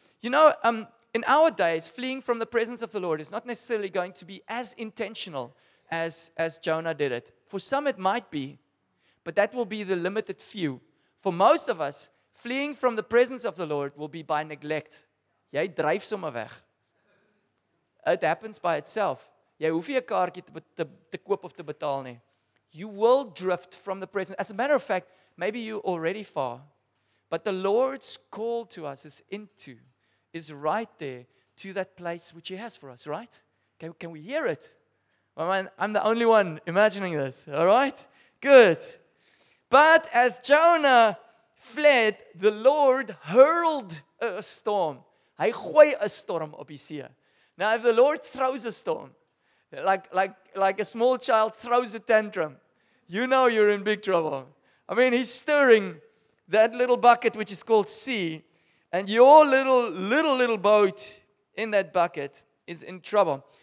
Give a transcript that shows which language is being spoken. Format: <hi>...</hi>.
<en>You know, in our days, fleeing from the presence of the Lord is not necessarily going to be as intentional as Jonah did it. For some, it might be. But that will be the limited few. For most of us, fleeing from the presence of the Lord will be by neglect.</en> <af>Jy dryf sommer weg.</af> <en>It happens by itself.</en> <af>Jy hoef nie 'n kaartjie te koop of te betaal nie.</af> <en>You will drift from the presence. As a matter of fact, maybe you're already far. But the Lord's call to us is right there to that place which He has for us, right? Can we hear it? I'm the only one imagining this, all right? Good. But as Jonah fled, the Lord hurled a storm.</en> <af>Hy gooi 'n storm op die see.</af> <en>Now, if the Lord throws a storm, like a small child throws a tantrum, you know you're in big trouble. I mean, he's stirring that little bucket, which is called sea, and your little boat in that bucket is in trouble.</en>